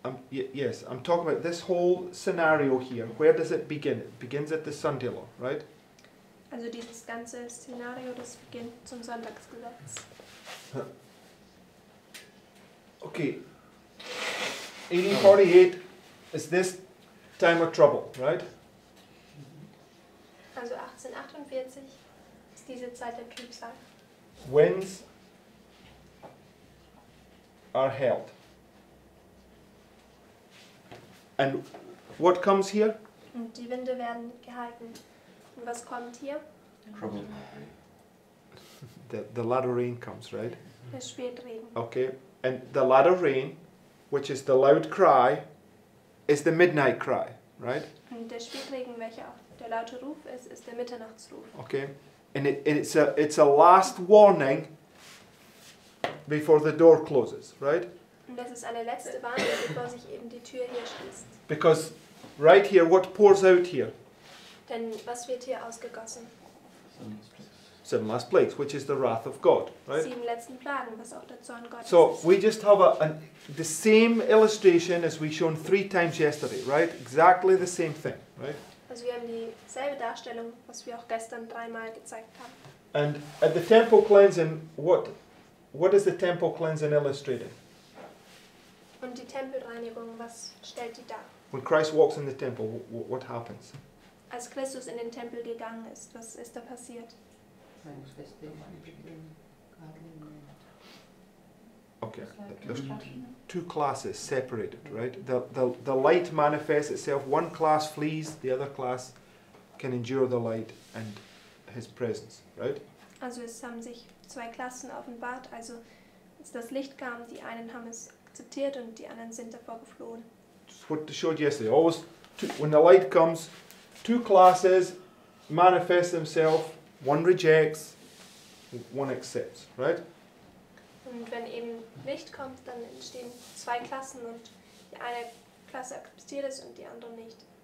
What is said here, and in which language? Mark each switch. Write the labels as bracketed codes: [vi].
[en] Yes, I'm talking about this whole scenario here. Where does it begin? It begins at the Sunday law, right? [de] Also dieses ganze Szenario, das beginnt zum Sonntagsgesetz. [en] Okay. AD 48 is this time of trouble, right? [de] Also 1848 ist diese Zeit der Trübsal. [en] Winds are held. And what comes here? [de] Und die Winde werden gehalten. Und was kommt hier? [en] Trouble. The latter rain comes, right? [de] Es wird Regen. [en] Okay. And the latter rain, which is the loud cry, is the midnight cry, right? [de] Und der Spätregen, welcher auch der laute Ruf ist, ist der Mitternachtsruf. [en] Okay. And it's a last warning before the door closes, right? [de] Und das ist eine letzte Warnung, bevor sich eben die Tür hier schließt. [en] Because right here, what pours out here? [de] Denn was wird hier ausgegossen? [en] Seven last plagues, which is the wrath of God, right? [de] Sieben letzten Plagen, was auch der Zorn Gottes. [en] So we just have the same illustration as we shown three times yesterday, right? Exactly the same thing, right? [de] Also wir haben dieselbe Darstellung, was wir auch gestern dreimal gezeigt haben. [en] And at the temple cleansing, what is the temple cleansing illustrating? [de] Und die Tempelreinigung, was stellt die dar? [en] When Christ walks in the temple, what happens? [de] Als Christus in den Tempel gegangen ist, was ist da passiert? [en] Okay, there's two classes separated, right? The light manifests itself. One class flees, the other class can endure the light and his presence, right? [de] Also es haben sich zwei Klassen offenbart. Also als das Licht kam, die einen haben es akzeptiert und die anderen sind davor geflohen. [en] What they showed yesterday. Always, when the light comes, two classes manifest themselves. One rejects, one accepts, right? [de] Und wenn eben Licht kommt, dann entstehen zwei Klassen und die eine Klasse akzeptiert es und die andere nicht.